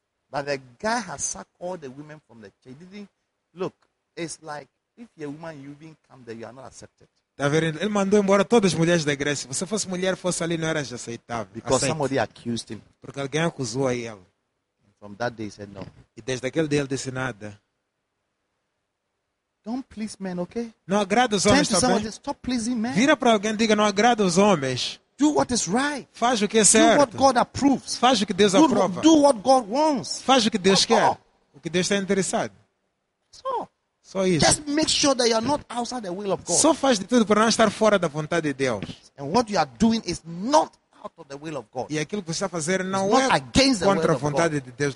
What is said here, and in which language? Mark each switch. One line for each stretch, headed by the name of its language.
English: But the guy has sacked all the women from the church. Didn't he? Look, it's like if you're a woman, you didn't come there, you are not accepted.
Portuguese: Tá vendo? Ele mandou embora todas as mulheres da igreja. Se você fosse mulher, fosse ali, não eras aceitável.
English: Because somebody accused him.
Portuguese: Porque alguém acusou a ele.
English: And from that day, he said no.
Portuguese: E desde aquele dia, ele disse nada.
English: Don't please men, okay?
Portuguese: Não agrada os homens, também.
English: Somebody, stop pleasing men.
Portuguese: Vira para alguém e diga, não agrada os homens.
English: Do what is right.
Portuguese: Faz o que é certo.
English: Do what God approves.
Portuguese: Faz o que Deus aprova.
English: Do what God wants.
Portuguese: Faz o que Deus quer. O que Deus está interessado. Só isso.
English: Just make sure that you are not outside the will of God.
Portuguese: Só faz de tudo para não estar fora da vontade de Deus.
English: And what you are doing is not out of the will of God.
Portuguese: E aquilo que você está fazendo não é contra a vontade de Deus.